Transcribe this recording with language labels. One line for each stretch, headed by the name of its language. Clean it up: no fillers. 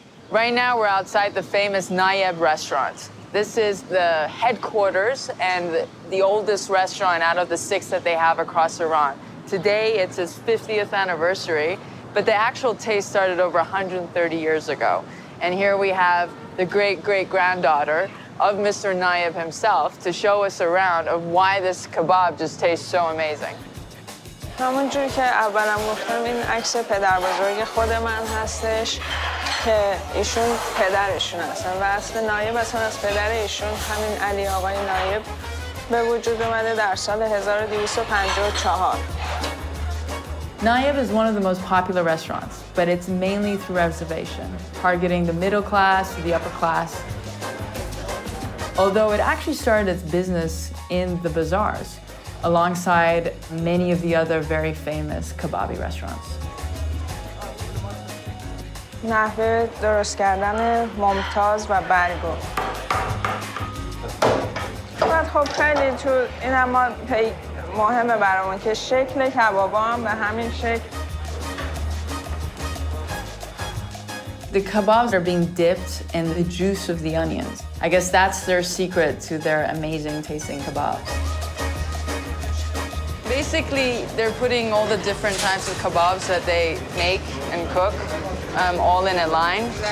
English: Right now, we're outside the famous Nayeb restaurant. This is the headquarters and the oldest restaurant out of the six that they have across Iran. Today, it's its 50th anniversary, but the actual taste started over 130 years ago. And here we have the great-great-granddaughter of Mr. Nayeb himself to show us around of why this kebab just tastes so amazing.
Persian: همونجوری که اولم گفتم این عکس پدر بزرگ خود من هستش که ایشون پدرشون هستن و اصل نایب اصلا از پدر ایشون همین علی آقای نایب به وجود اومده در سال 1254.
English: Nayeb is one of the most popular restaurants, but it's mainly through reservation, targeting the middle class, the upper class. Although it actually started its business in the bazaars, alongside many of the other very famous kebabi restaurants.
Persian: مهمه برامون که شکل کبابا هم به همین شکل.
English: The kebabs are being dipped in the juice of the onions. I guess that's their secret to their amazing tasting kebabs. Basically, they're putting all the different types of kebabs that they make and cook all in a line.